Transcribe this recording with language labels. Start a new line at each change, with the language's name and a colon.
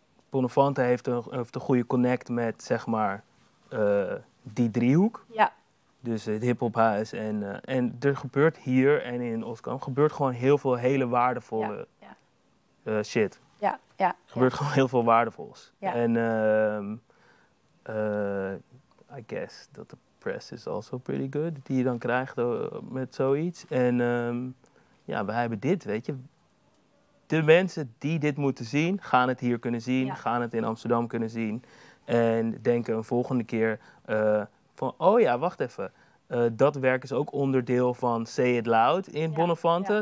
Dutch: Bonnefante heeft een goede connect met, zeg maar, die driehoek. Ja. Dus het hiphophuis. En er gebeurt hier en in Oskam gebeurt gewoon heel veel hele waardevolle shit. Ja, ja. Gebeurt gewoon heel veel waardevols. Ja.
English: En I guess that the press is also pretty good.
Dutch: Die je dan krijgt met zoiets. En ja, we hebben dit, weet je. De mensen die dit moeten zien, gaan het hier kunnen zien. Ja. Gaan het in Amsterdam kunnen zien. En denken een volgende keer van, oh ja, wacht even. Dat werk is ook onderdeel van Say It Loud in Bonnefante. Ja.